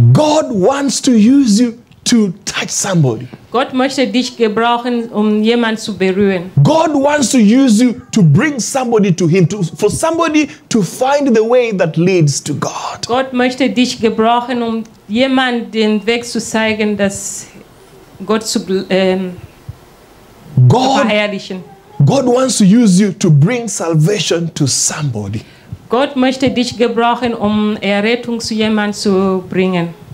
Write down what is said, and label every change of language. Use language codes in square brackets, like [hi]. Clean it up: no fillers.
[en] God wants to use you to touch somebody. [de] Gott möchte dich gebrauchen, jemanden zu berühren. [en] God wants to use you to bring somebody to Him, for somebody to find the way that leads to God. [de] Gott möchte dich gebrauchen, jemanden den Weg zu zeigen, dass Gott zu verherrlichen. [en] God wants to use you to bring salvation to somebody. [de] Gott möchte dich gebrauchen, Errettung zu jemanden zu bringen.